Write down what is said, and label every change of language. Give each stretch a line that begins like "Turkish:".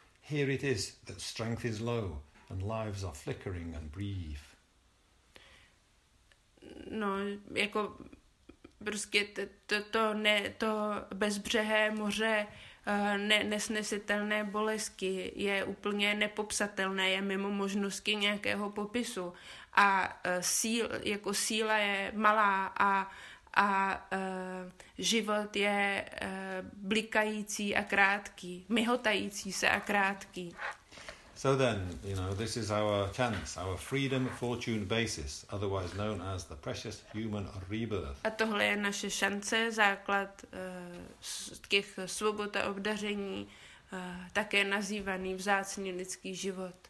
English: Here it is that strength is low, and lives are flickering and brief.
Czech: No, jako prostě to bezbřehé moře, nesnesitelné bolesti, je úplně nepopsatelné, je mimo možnosti nějakého popisu. A síla je malá a život je blikající a krátký, mihotající se a krátký.
English: So then, you know, this is our chance, our freedom, fortune basis, otherwise known as the precious human rebirth.
Czech: A tohle je naše šance, základ těch svobod a obdaření, také nazývaný vzácný lidský život.